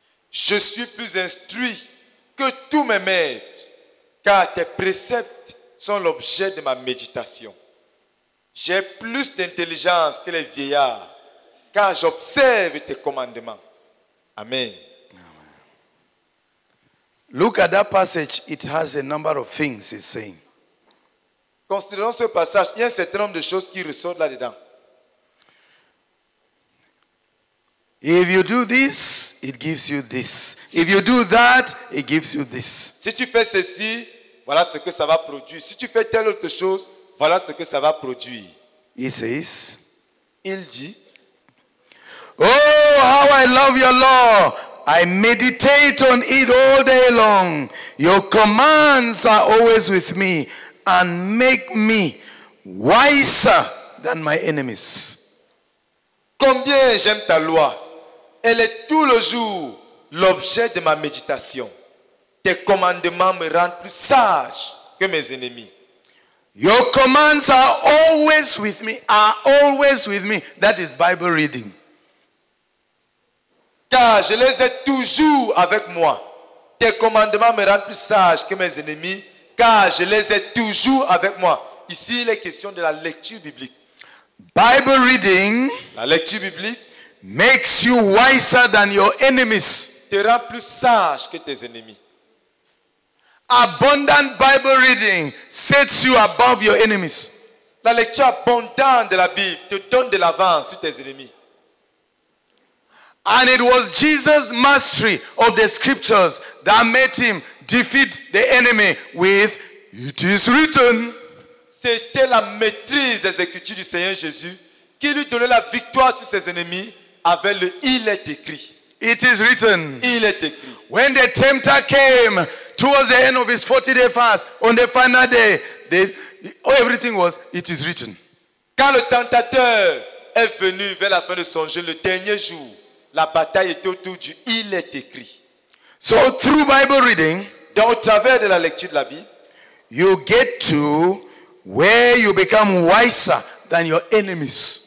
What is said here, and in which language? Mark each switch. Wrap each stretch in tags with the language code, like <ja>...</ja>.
<fr>Je suis plus instruit que tous mes maîtres, car tes préceptes sont l'objet de ma méditation. J'ai plus d'intelligence que les vieillards, car j'observe tes commandements. Amen. Amen.</fr> <en>Look at that passage. It has a number of things it's saying.</en> <fr>Considérons ce passage. Il y a un certain nombre de choses qui ressortent là-dedans.</fr> <en>If you do this, it gives you this. If you do that, it gives you this.</en> <fr>Si tu fais ceci, voilà ce que ça va produire. Si tu fais telle autre chose, voilà ce que ça va produire.</fr> <en>He says,</en> <fr>il dit,</fr> <en>oh, how I love your law. I meditate on it all day long. Your commands are always with me and make me wiser than my enemies.</en> <fr>Combien j'aime ta loi. Elle est tout le jour l'objet de ma méditation. Tes commandements me rendent plus sage que mes ennemis.</fr> <en>Your commands are always with me. Are always with me. That is Bible reading.</en> <fr>Car je les ai toujours avec moi. Tes commandements me rendent plus sage que mes ennemis. Car je les ai toujours avec moi. Ici, il est question de la lecture biblique.</fr> <en>Bible reading.</en> <fr>La lecture biblique.</fr> <en>Makes you wiser than your enemies.</en> <fr>Te rend plus sage que tes ennemis.</fr> <en>Abundant Bible reading sets you above your enemies.</en> <fr>La lecture abondante de la Bible te donne de l'avance sur tes ennemis.</fr> <en>And it was Jesus' mastery of the scriptures that made him defeat the enemy with, it is written.</en> <fr>c'était la maîtrise des écritures du Seigneur Jésus qui lui donnait la victoire sur ses ennemis avec le « Il est écrit ».</fr> <en>It is written.</en> <fr>Il est écrit.</fr> <en>When the tempter came towards the end of his 40-day fast, on the final day, everything was, it is written.</en> <fr>Quand le tentateur est venu vers la fin de son jeûne, le dernier jour, la bataille est autour du « Il est écrit ».</fr> <en>So through Bible reading,</en> <fr>donc, au travers de la lecture de la Bible,</fr> <en>you get to where you become wiser than your enemies.</en>